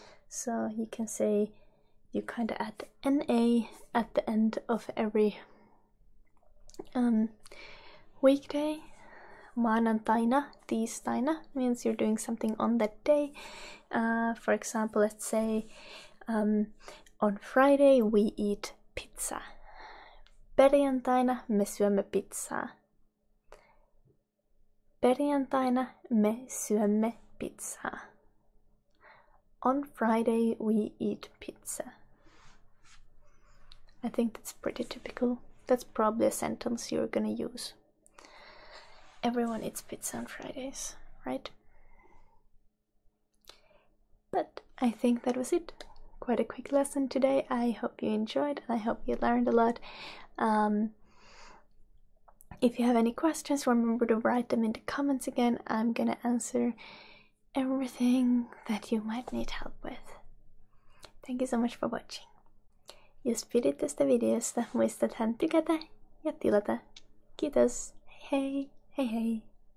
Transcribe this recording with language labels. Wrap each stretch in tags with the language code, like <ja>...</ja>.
<en>So you can say, you kind of add NA at the end of every weekday. Maanantaina, tiistaina means you're doing something on that day. For example, let's say on Friday we eat pizza.</en> <fi>Perjantaina me syömme pizzaa. Perjantaina me syömme pizzaa.</fi> <en>On Friday we eat pizza. I think that's pretty typical. That's probably a sentence you're gonna use. Everyone eats pizza on Fridays, right? But I think that was it. Quite a quick lesson today. I hope you enjoyed and I hope you learned a lot. If you have any questions, remember to write them in the comments again. I'm gonna answer everything that you might need help with. Thank you so much for watching.</en> <fi>Jos pidit tästä videosta, muistathan tykätä ja tilata. Kiitos. Hei.</fi> <en>Hey, hey.</en>